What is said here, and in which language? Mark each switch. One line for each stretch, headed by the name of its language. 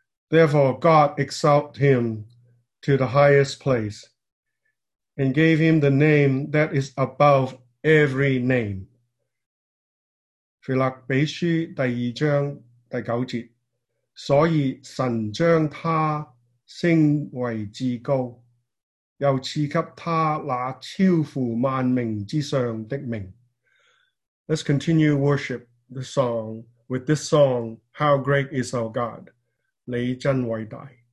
English: Therefore, God exalted him to the highest place and gave him the name that is above every name.
Chinese: 腓立比书第二章第九节，所以神将他升为至高，又赐给他那超乎万名之上的名。
English: Let's continue worship the song with this song, How Great is Our God,
Chinese: 你真伟大。